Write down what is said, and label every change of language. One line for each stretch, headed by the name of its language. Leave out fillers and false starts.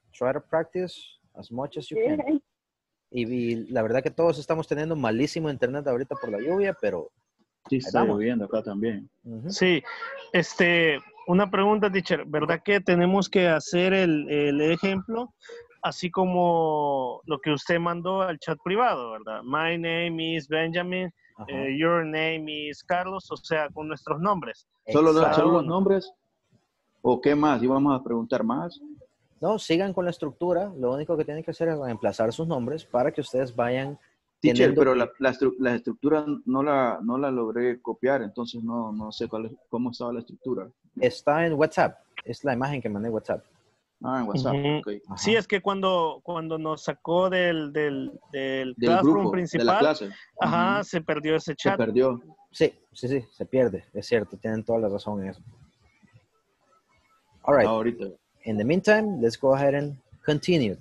English: Try to practice as much as you can.
Spanish: Y la verdad que todos estamos teniendo malísimo internet ahorita por la lluvia, pero... Sí, está lloviendo acá también. Uh-huh. Sí, una pregunta, teacher. ¿Verdad que tenemos que hacer el ejemplo así como lo que usted mandó al chat privado, verdad?
English: My name is Benjamin, your name is Carlos, o sea, con nuestros nombres.
Spanish: ¿Solo los nombres? ¿O qué más? ¿Y vamos a preguntar más? No, sigan con la estructura. Lo único que tienen que hacer es reemplazar sus nombres para que ustedes vayan... Teacher, pero la estructura no la logré copiar, entonces no sé cómo estaba la estructura. Está en WhatsApp. Es la imagen que mandé en WhatsApp. Ah, en WhatsApp. Uh-huh. Okay. Sí, es que cuando nos sacó del classroom grupo, principal, de la clase. Ajá, uh-huh. Se perdió ese chat. Se perdió. Sí, se pierde. Es cierto, tienen toda la razón en eso.
English: All right.
Spanish: Ahorita.
English: In the meantime, let's go ahead and continue.